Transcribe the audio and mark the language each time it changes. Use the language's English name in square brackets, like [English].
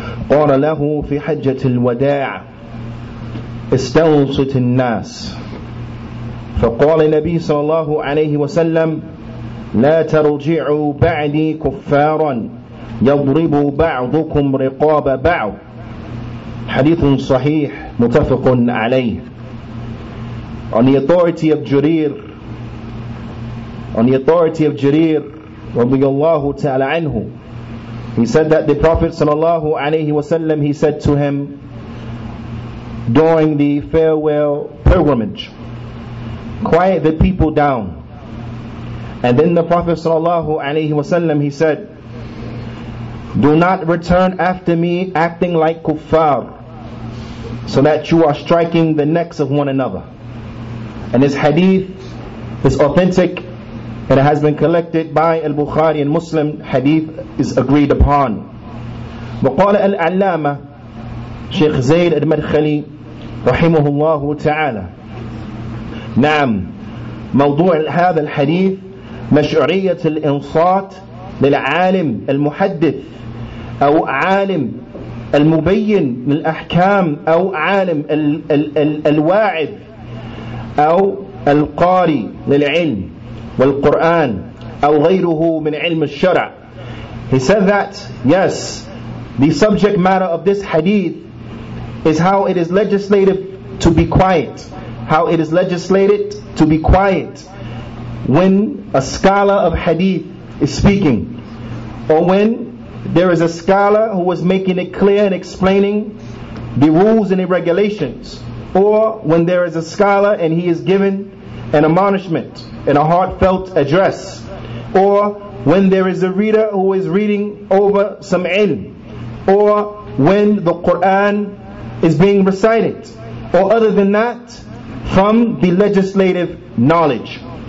[Arabic] قال له في حجة الوداع استوصت الناس فقال النبي صلى الله عليه وسلم لا ترجعوا بعدي كفارا يضرب بعضكم رقاب بعض حديث صحيح متفق عليه. [English] On the authority of Jarir, radiyallahu ta'ala anhu, he said that the Prophet sallallahu alayhi wa sallam, he said to him during the farewell pilgrimage, quiet the people down. And then the Prophet sallallahu alayhi wa sallam, he said, do not return after me acting like kuffar, so that you are striking the necks of one another. And this hadith is authentic, and it has been collected by al-Bukhari and Muslim. Hadith is agreed upon. [Arabic] وقال العلامة شيخ زيد المدخلي رحمه الله تعالى نعم موضوع هذا الحديث مشعرية الإنصات للعالم المحدث أو عالم المبين للأحكام أو عالم الواعظ أو القاري للعلم والقرآن أو غيره من علم الشرع. [English] He said that yes, the subject matter of this hadith is how it is legislated to be quiet, how it is legislated to be quiet when a scholar of hadith is speaking, or when there is a scholar who is making it clear and explaining the rules and the regulations, or when there is a scholar and he is given an admonishment and a heartfelt address, or when there is a reader who is reading over some ilm, or when the Quran is being recited, or other than that, from the legislative knowledge.